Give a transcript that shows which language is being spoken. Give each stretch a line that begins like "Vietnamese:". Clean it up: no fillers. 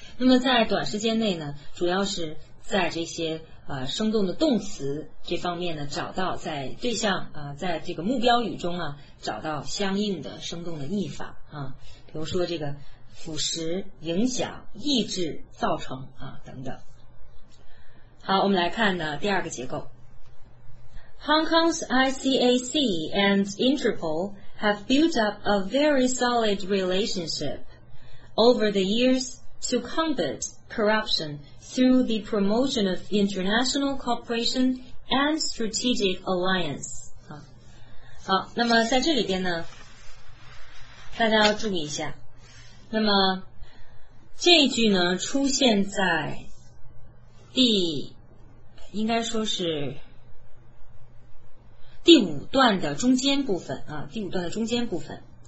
Chinese: 那么在短时间内呢，主要是在这些生动的动词这方面呢，找到在对象啊，在这个目标语中啊，找到相应的生动的译法啊，比如说这个腐蚀、影响、抑制、造成啊等等。好，我们来看呢第二个结构。
English: Hong Kong's ICAC and Interpol have built up a very solid relationship over the years to combat corruption. Through the promotion of international cooperation and strategic alliance.
Chinese: 好，那么在这里边呢，大家要注意一下。那么这一句呢，出现在应该说是第五段的中间部分啊，第五段的中间部分。